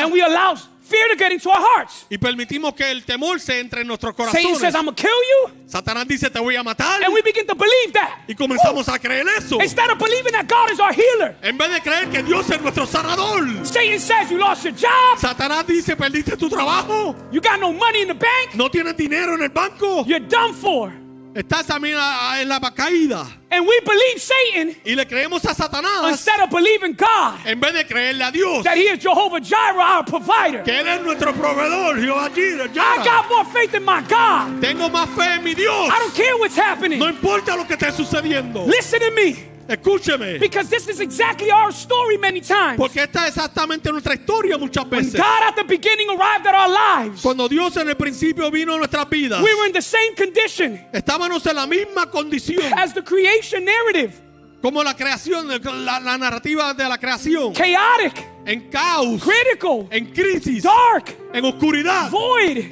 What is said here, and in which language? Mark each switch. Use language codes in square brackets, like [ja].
[en] And we allow fear to get into our hearts. [es] Y permitimos que el temor se entre en nuestros corazones. [en] Satan says, "I'm gonna kill you." [es] Satanás dice, "Te voy a matar." [en] And we begin to believe that. [es] Y comenzamos a creer eso. [en] Instead of believing that God is our healer. [es] En vez de creer que Dios es nuestro sanador. [en] Satan says, "You lost your job." [es] Satanás dice, "Perdiste tu trabajo." [en] You got no money in the bank. [es] No tienes dinero en el banco. [en] You're done for. [es] Estás también en la caída. [en] And we believe Satan. [es] Y le creemos a Satanás. [en] Instead of believing God. [es] En vez de creerle a Dios. [en] That he is Jehovah Jireh, our provider. [es] Que él es nuestro proveedor, Jehová Jireh. [en] I got more faith in my God. [es] Tengo más fe en mi Dios. [en] I don't care what's happening. [es] No importa lo que esté sucediendo. [en] Listen to me. [es] Escúcheme. [en] Because this is exactly our story many times. [es] Porque esta es exactamente nuestra historia muchas veces. [en] When God at the beginning arrived at our lives. [es] Cuando Dios en el principio vino a nuestras vidas. [en] We were in the same condition. [es] Estábamos en la misma condición. [en] As the creation narrative. [es] Como la creación, la narrativa de la creación. [en] Chaotic. [es] En caos. [en] Critical. [es] En crisis. [en] Dark. [es] En oscuridad. [en] Void.